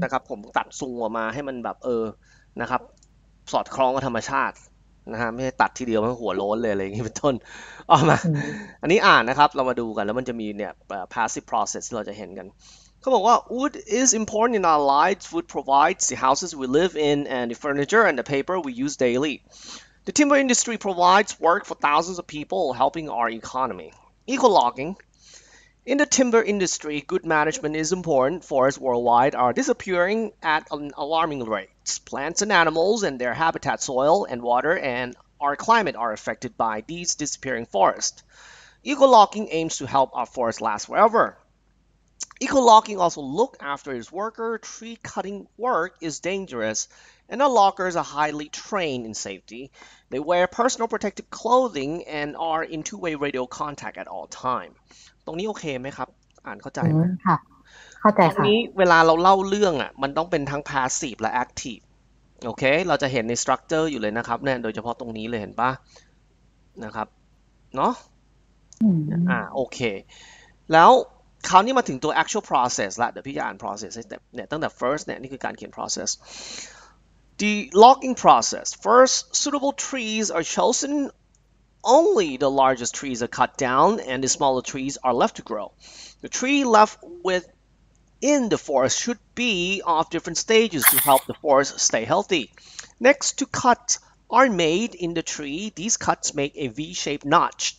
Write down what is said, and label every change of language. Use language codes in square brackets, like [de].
[th] นะครับผมตัดซุงออกมาให้มันแบบนะครับสอดคล้องกับธรรมชาตินะฮะไม่ใช่ตัดทีเดียวมันหัวโล้นเลยอะไรอย่างนี้เป็นต้นออกมา อืม อันนี้อ่านนะครับเรามาดูกันแล้วมันจะมีเนี่ย passive process ที่เราจะเห็นกันเขาบอกว่า [en] wood is important in our lives. Wood provides the houses we live in and the furniture and the paper we use daily. The timber industry provides work for thousands of people, helping our economy. Eco-logging. In the timber industry, good management is important. Forests worldwide are disappearing at an alarming rate. Plants and animals and their habitat, soil and water, and our climate are affected by these disappearing forests. Eco-logging aims to help our forests last forever. Eco-logging also look after its worker. Tree cutting work is dangerous. And our loggers are highly trained in safety. They wear personal protective clothing and are in two-way radio contact at all time. [th] ตรงนี้โอเคไหมครับอ่านเข้าใจ อื ไหม มค่ะเข้าใจ ตรง ค่ น ะี้เวลาเราเล่าเรื่องอ่ะมันต้องเป็นทั้ง passive และ active โอเคเราจะเห็นใน structure อยู่เลยนะครับเนี่ยโดยเฉพาะตรงนี้เลยเห็นป่ะนะครับเนาะ อืม โอเคแล้วคราวนี้มาถึงตัว actual process ละเดี๋ยวพี่จะอ่าน process ให้เต็มเนี่ยตั้งแต่ first เนี่ยนี่คือการเขียน process [en] The logging process. First, suitable trees are chosen. Only the largest trees are cut down and the smaller trees are left to grow. The tree left within the forest should be of different stages to help the forest stay healthy. Next, two cuts are made in the tree. These cuts make a V-shaped notch.